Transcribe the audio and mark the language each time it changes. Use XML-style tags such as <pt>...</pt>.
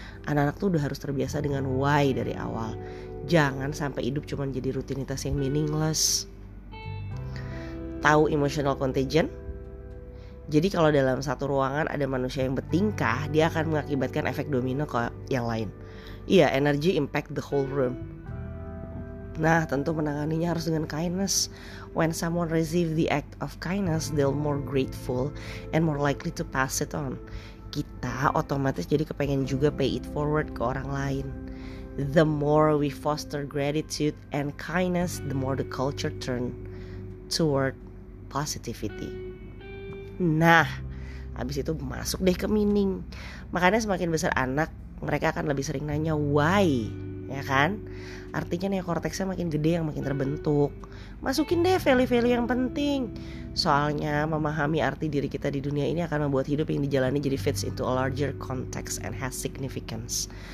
<id>Anak-anak tuh udah harus terbiasa dengan why dari awal. Jangan sampai hidup cuma jadi rutinitas yang meaningless. Tahu emotional contagion? Jadi kalau dalam satu ruangan ada manusia yang bertingkah, dia akan mengakibatkan efek domino ke yang lain.</id> <en>Iya, energy impact the whole room.</en> <id>Nah, tentu menanganinya harus dengan kindness.</id> <en>When someone receive the act of kindness, they'll more grateful and more likely to pass it on.</en> <id>Kita otomatis jadi kepengen juga</id> <en>pay it forward</en> <id>ke orang lain.</id> <en>The more we foster gratitude and kindness, the more the culture turn toward positivity.</en> <id>Nah, abis itu masuk deh ke meaning. Makanya semakin besar anak, mereka akan lebih sering nanya why, ya kan? Artinya neokorteksnya makin gede yang makin terbentuk. Masukin deh value-value yang penting. Soalnya memahami arti diri kita di dunia ini akan membuat hidup yang dijalani jadi</id> <en>fits into a larger context and has significance.</en>